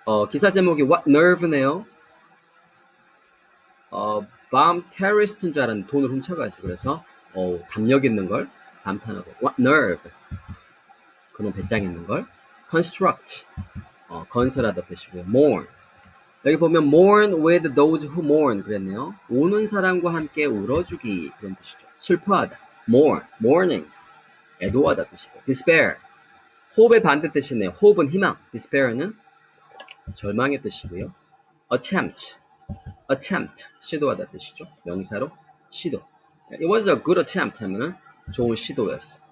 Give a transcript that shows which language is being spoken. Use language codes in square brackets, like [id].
[ko] 기사 제목이 What Nerve네요. Bomb Terrorist인 줄 알았는데 돈을 훔쳐가지. 그래서 담력 있는 걸 감탄하고 What Nerve. 그놈 배짱 있는 걸 Construct. 건설하다 뜻이고 Mourn. 여기 보면 [en] Mourn with those who mourn [ko] 그랬네요. 우는 사람과 함께 울어주기 그런 뜻이죠. 슬퍼하다. Mourn. Mourning. 애도하다 뜻이고 Despair. Hope의 반대 뜻이네요. Hope은 희망. Despair는 절망의 뜻이고요. Attempt. Attempt. 시도하다 뜻이죠. 명사로 시도. [en] It was a good attempt [ko] 하면은 좋은 시도였어.